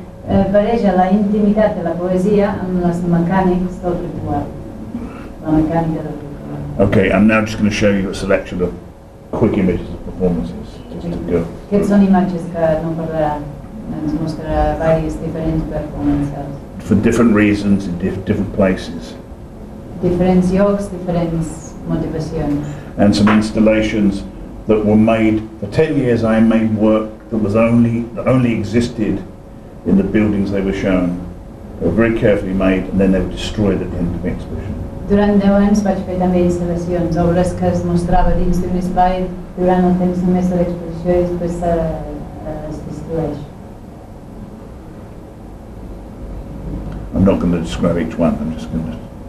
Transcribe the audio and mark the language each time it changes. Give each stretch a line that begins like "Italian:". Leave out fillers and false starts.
Catalan: Sí, pareja la intimitat de la poesia amb les mecànics del ritual. La mecànica del ritual.
English: Okay, I'm now just going to show you a selection of quick images of performances, just to go.
Catalan: Aquests són imatges que no parlaran. Ens mostrarà diverses diferents performances.
English: For different reasons in different places.
Catalan: Diferents llocs, diferents motivacions.
English: And some installations that were made for 10 years. I made work that was only existed in the buildings they were shown. They were very carefully made, and then they were destroyed at the end of the exhibition.
Catalan: Durant 10 anys vaig fer també instal·lacions, obres que es mostrava dins d'un espai durant el temps només de l'exposició i després es destrueix.
English: I'm not going to describe each one, I'm just going to...